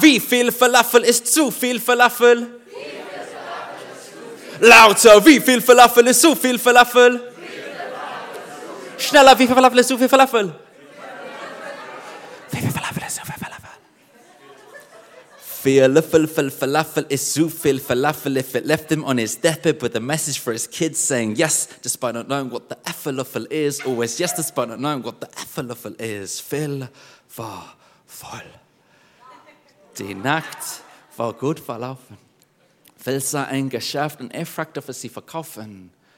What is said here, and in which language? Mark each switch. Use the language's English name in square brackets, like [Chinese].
[German] Wie viel falafel ist zu viel falafel? Wie viel falafel ist zu viel? Lauter, wie viel falafel ist zu viel falafel? Schneller, wie viel falafel ist zu viel falafel? Wie viel falafel ist zu viel falafel? Viel falafel, falafel is zu viel falafel. [English] If it left him on his deathbed with a message for his kids saying yes, despite not knowing what the falafel is, always yes, despite not knowing what the falafel is. [German] Viel falafel. Die Nacht war gut verlaufen. Viel sah ein Geschäft und er fragt, ob er sie verkaufen.